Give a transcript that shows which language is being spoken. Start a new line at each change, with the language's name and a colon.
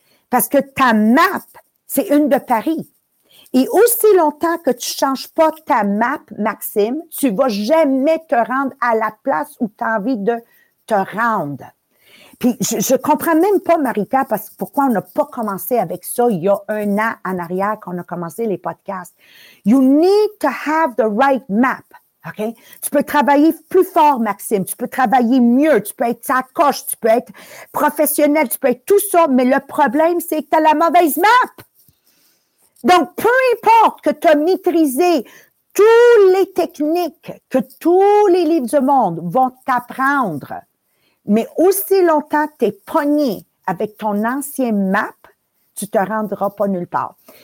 French: Parce que ta map, c'est une de Paris. Et aussi longtemps que tu changes pas ta map, Maxime, tu vas jamais te rendre à la place où tu as envie de te rendre. Puis, je comprends même pas, Marika, parce que pourquoi on n'a pas commencé avec ça il y a un an en arrière qu'on a commencé les podcasts.
English: You need to have the right map. OK?
French: Tu peux travailler plus fort, Maxime. Tu peux travailler mieux. Tu peux être sacoche. Tu peux être professionnel. Tu peux être tout ça. Mais le problème, c'est que tu as la mauvaise map. Donc, peu importe que tu as maîtrisé toutes les techniques que tous les livres du monde vont t'apprendre, mais aussi longtemps que tu es pogné avec ton ancien map, tu te rendras pas nulle part.